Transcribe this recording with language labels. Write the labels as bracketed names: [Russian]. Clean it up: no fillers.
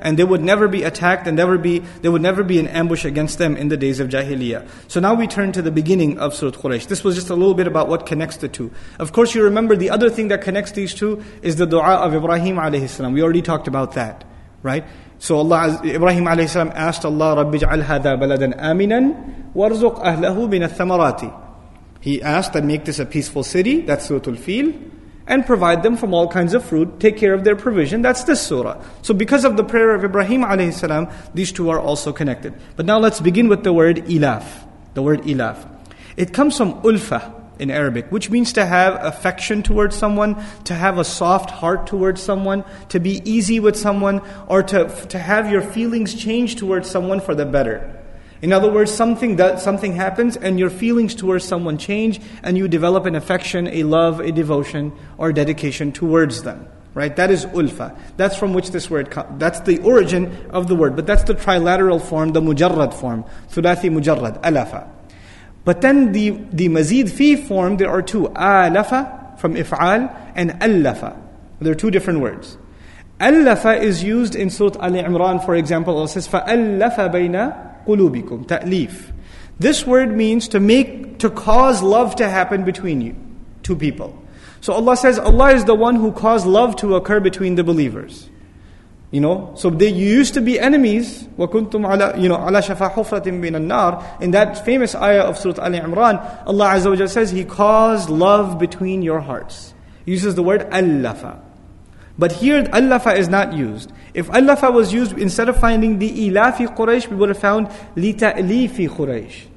[English] And they would never be attacked, and there would never be an ambush against them in the days of Jahiliyyah. So now we turn to the beginning of Surah Quraysh. This was just a little bit about what connects the two. Of course, you remember the other thing that connects these two is the dua of Ibrahim alayhi salam. We already talked about that, right? So Allah, Ibrahim alayhi salam asked Allah, [Arabic] رَبِّ جَعَلْ هَذَا بَلَدًا آمِنًا وَارْزُقْ أَهْلَهُ مِنَ الثَّمَرَاتِ. [English] He asked that, make this a peaceful city, that's Surah Al-Fil, and provide them from all kinds of fruit, take care of their provision, that's this surah. So because of the prayer of Ibrahim alayhi salam, these two are also connected. But now let's begin with the word ilaf. The word ilaf. It comes from ulfa in Arabic, which means to have affection towards someone, to have a soft heart towards someone, to be easy with someone, or to have your feelings change towards someone for the better. In other words, something happens and your feelings towards someone change, and you develop an affection, a love, a devotion, or dedication towards them. Right? That is ulfa. That's from which this word comes. That's the origin of the word. But that's the trilateral form, the mujarrad form. Thulathi mujarrad, alafa. But then the mazid fi form, there are two. Alafa from if'al and allafa. They're two different words. Allafa is used in Surah Ali Imran, for example. Allah says, [Arabic] فَأَلَّفَ بَيْنَ قُلُوبِكُمْ تَأْلِيف. [English] This word means to cause love to happen between you, two people. So Allah says, Allah is the one who caused love to occur between the believers. You know, so they used to be enemies. [Arabic] وَكُنْتُمْ عَلَى, [English] you know, [Arabic] عَلَى شَفَى حُفْرَةٍ مِّنَ النَّارِ. [English] In that famous ayah of Surah Ali Imran, Allah Azza wa Jalla says, He caused love between your hearts. He uses the word أَلَّفَ. But here, أَلَّفَ is not used. If أَلَّفَ was used, instead of finding the [Arabic] إِلَافِ قُرَيْشِ, [English] we would have found [Arabic] لِتَأْلِيفِ قُرَيْشِ.